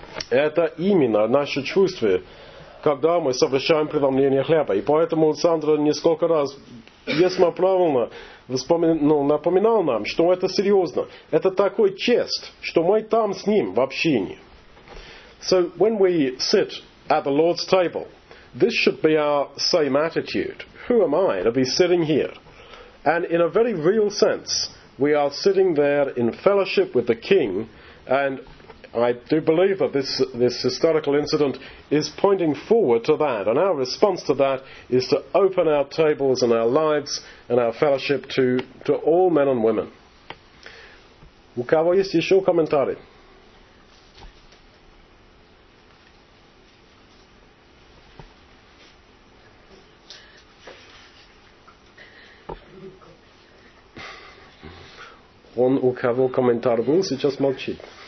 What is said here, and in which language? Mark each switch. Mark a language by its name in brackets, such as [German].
[Russian] Это именно наше чувство, когда мы совершаем преломление хлеба. И поэтому Сандра несколько раз, весьма правильно, напоминал нам, что это серьезно. Это такой чест, что мы там с ним в общении. [English] So when we sit at the Lord's table, this should be our same attitude. Who am I to be sitting here? And in a very real sense, we are sitting there in fellowship with the King, and I do believe that this historical incident is pointing forward to that, and our response to that is to open our tables and our lives and our fellowship to all men and women. [Russian] У кого есть еще комментарий? Он у кого комментарий был, сейчас молчит.